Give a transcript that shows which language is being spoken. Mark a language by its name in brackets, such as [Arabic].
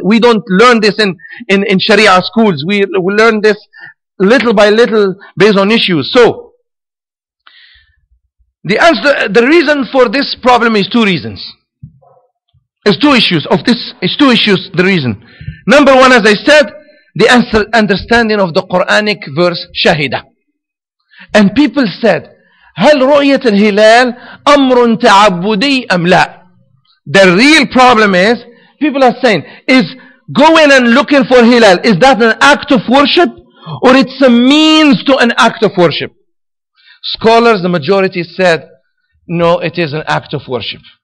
[English] We don't learn this in Sharia schools. We learn this little by little based on issues. So, the answer, the reason for this problem is two reasons. It's two issues. Number one, as I said, the answer, understanding of the Quranic verse Shahida. And people said, [Arabic] هل رؤية الهلال أمر تعبدي أم لا? [English] The real problem is, people are saying, is going and looking for Hilal, is that an act of worship? Or it's a means to an act of worship? Scholars, the majority said, no, it is an act of worship.